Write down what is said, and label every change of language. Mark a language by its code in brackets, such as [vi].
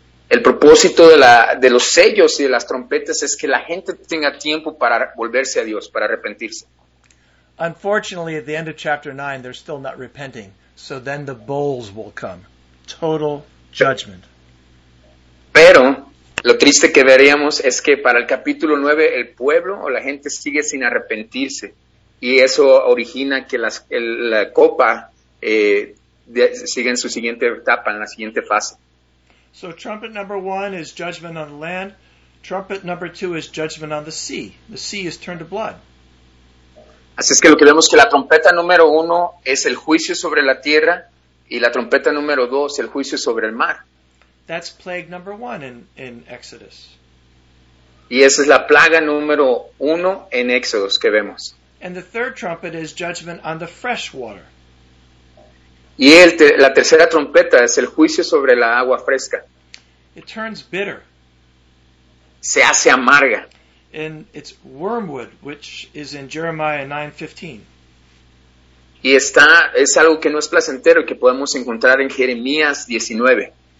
[es] El propósito de los sellos y de las trompetas es que la gente tenga tiempo para volverse a Dios, para arrepentirse. [en] Unfortunately, at the end of chapter 9, they're still not repenting. So then the bowls will come. Total judgment. [es] Pero lo triste que veríamos es que para el capítulo 9 el pueblo o la gente sigue sin arrepentirse y eso origina que la copa sigue en su siguiente etapa, en la siguiente fase. [en] So trumpet number 1 is judgment on the land. Trumpet number 2 is judgment on the sea. The sea is turned to blood. [es] Así es que lo que vemos es que la trompeta número 1 es el juicio sobre la tierra y la trompeta número 2 el juicio sobre el mar. [en] That's plague number 1 in Exodus. [es] Y esa es la plaga número 1 en Éxodos que vemos. [en] And the third trumpet is judgment on the fresh water. [es] Y la tercera trompeta es el juicio sobre la agua fresca. [en] It turns bitter. [es] Se hace amarga. [en] And it's wormwood, which is in Jeremiah 9:15. [es] Y es algo que no es placentero y que podemos encontrar en Jeremías 19.